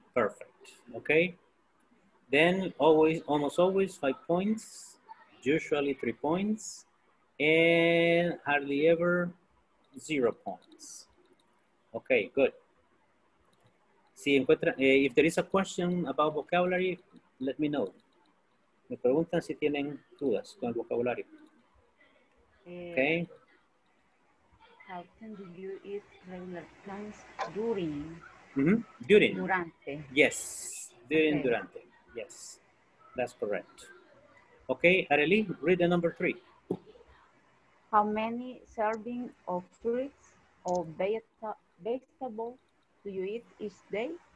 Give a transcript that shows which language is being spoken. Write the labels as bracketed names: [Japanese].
[English] Perfect. Okay. Then always, almost always, 5 points. Usually 3 points. And hardly ever, 0 points. Okay, good. [Spanish] Si encuentra, [English] if there is a question about vocabulary, let me know. [Spanish] Me preguntan si tienen dudas con el vocabulario. [English] Okay. How often do you eat regular times during? Mm-hmm. During. [Spanish] Durante. [English] Yes. During, okay. Durante. Yes. That's correct. Okay, Areli, read the number 3. How many servings of fruits or vegetables do you eat each day?